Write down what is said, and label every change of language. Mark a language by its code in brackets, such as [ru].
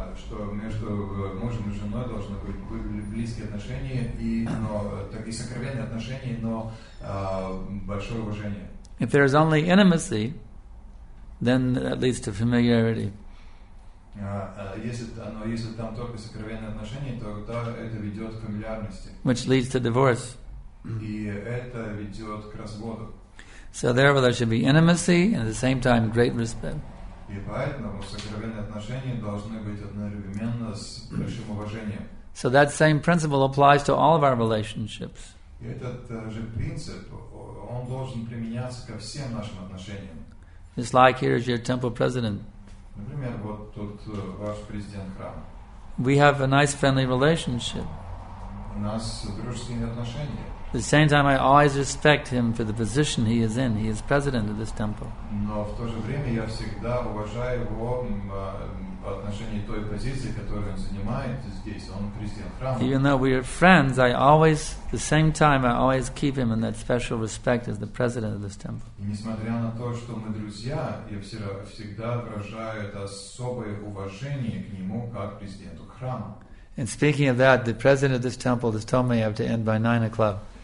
[ru] Что между мужем и женой должны быть близкие отношения и сокровенные отношения, но большое уважение. [en] If there is only intimacy, then that leads to familiarity. [ru] Если там только сокровенные отношения, то это ведет к фамильярности. [en] Which leads to divorce. [ru] И это ведет к разводу. [en] So therefore there should be intimacy and at the same time great respect. [ru] И поэтому сокровенные отношения должны быть одновременно с большим уважением. [en] So that same principle applies to all of our relationships. [ru] И этот же принцип, он должен применяться ко всем нашим отношениям. [en] It's like here is your temple president. [ru] Например, вот тут ваш президент храма. [en] We have a nice friendly relationship. [ru] У нас дружественные отношения. [en] At the same time, I always respect him for the position he is in. He is president of this temple. [ru] Но в то же время я всегда уважаю его по отношению той позиции, которую он занимает здесь. Он президент храма. [en] Even though we are friends, I always keep him in that special respect as the president of this temple. [ru] И несмотря на то, что мы друзья, я всегда выражаю это особое уважение к нему как президенту храма. [en] And speaking of that, the president of this temple has told me I have to end by 9 o'clock.